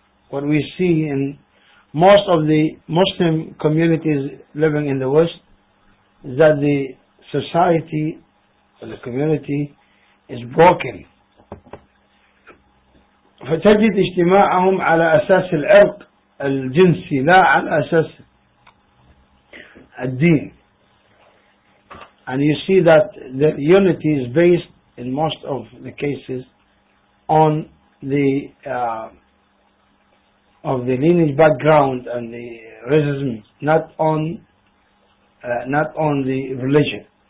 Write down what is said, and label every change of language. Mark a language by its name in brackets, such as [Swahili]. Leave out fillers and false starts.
[English] What we see in most of the Muslim communities living in the West is that the society or the community is broken. [Arabic] فتجد اجتماعهم على أساس العرق الجنسي لا على أساس الدين. [English] And you see that the unity is based in most of the cases on the of the lineage background and the racism, not on the religion.